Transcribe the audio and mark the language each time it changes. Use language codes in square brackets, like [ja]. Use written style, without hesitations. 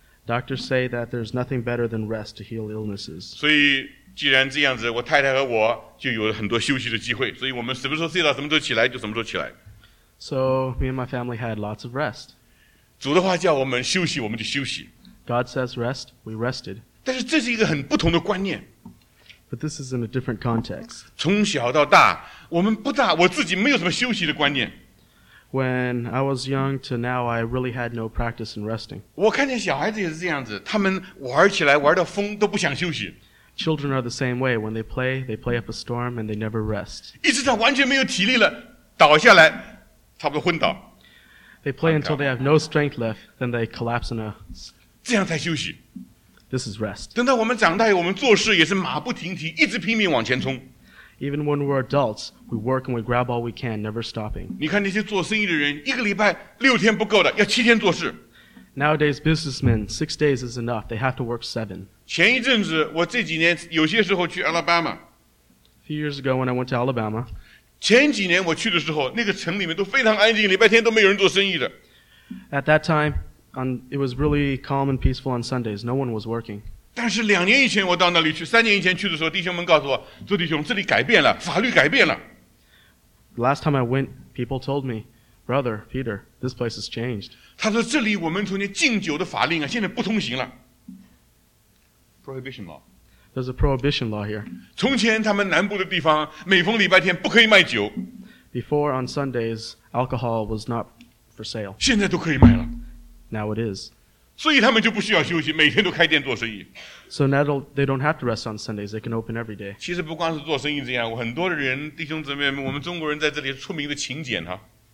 [en] Doctors say that there's nothing better than rest to heal illnesses. [zh] 所以既然这样子，我太太和我就有很多休息的机会，所以我们什么时候睡到什么时候起来就什么时候起来。 [en] So me and my family had lots of rest. [zh] 主的话叫我们休息，我们就休息。 [en] God says rest, we rested. [zh] 但是这是一个很不同的观念。 [en] But this is in a different context. [zh] 从小到大，我们不大，我自己没有什么休息的观念。 [en] When I was young to now, I really had no practice in resting. [zh] 我看见小孩子也是这样子，他们玩起来玩到疯都不想休息。 [en] Children are the same way. When they play up a storm and they never rest. [zh] 一直到完全没有体力了，倒下来，差不多昏倒。 [en] They play until they have no strength left, then they collapse in a. [zh] 这样才休息。 [en] This is rest. [zh] 等到我们长大，我们做事也是马不停蹄，一直拼命往前冲。 [en] Even when we're adults, we work and we grab all we can, never stopping. [zh] 你看那些做生意的人，一个礼拜六天不够的，要七天做事。 [en] Nowadays, businessmen, 6 days is enough. They have to work 7. [zh] 前一阵子，我这几年有些时候去 Alabama. [en] A few years ago, when I went to Alabama. [zh] 前几年我去的时候，那个城里面都非常安静，礼拜天都没有人做生意的。 [en] At that time, it was really calm and peaceful on Sundays. No one was working. [zh] 但是两年以前我到那里去，三年以前去的时候，弟兄们告诉我，周弟兄，这里改变了，法律改变了。 [en] Last time I went, people told me. Brother Peter, this place has changed. [zh] 他说：“这里我们从前禁酒的法令啊，现在不通行了。 [en] Prohibition law. There's a prohibition law here. [zh] 从前他们南部的地方，每逢礼拜天不可以卖酒。 [en] Before on Sundays, alcohol was not for sale. [zh] 现在都可以卖了。 [en] Now it is. [zh] 所以他们就不需要休息，每天都开店做生意。 [en] So now they don't have to rest on Sundays; they can open every day. [zh] 其实不光是做生意这样，很多的人弟兄姊妹们，我们中国人在这里出名的勤俭哈。”